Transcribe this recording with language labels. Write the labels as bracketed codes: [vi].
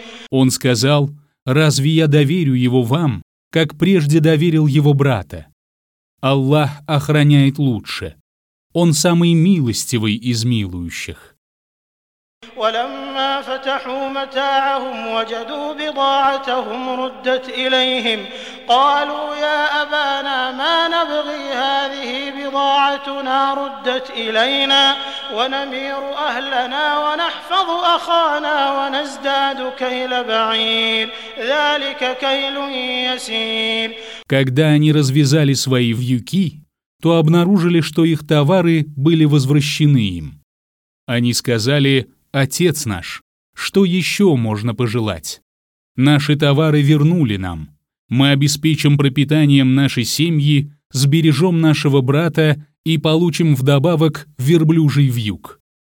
[ru] Он сказал: «Разве я доверю его вам, как прежде доверил его брата? Аллах охраняет лучше. Он самый милостивый из милующих». [ar] ولما فتحوا متاعهم وجدوا بضاعتهم ردت إليهم قالوا يا أبانا ما نبغي هذه بضاعتنا ردت إلينا ونمير أهلنا ونحفظ أخانا ونزداد كيل بعير ذلك كيل يسير. [ru] Когда они развязали свои вьюки, то обнаружили, что их товары были возвращены им. Они сказали: «Отец наш, что еще можно пожелать? Наши товары вернули нам. Мы обеспечим пропитанием нашей семьи, сбережем нашего брата и получим вдобавок верблюжий вьюг.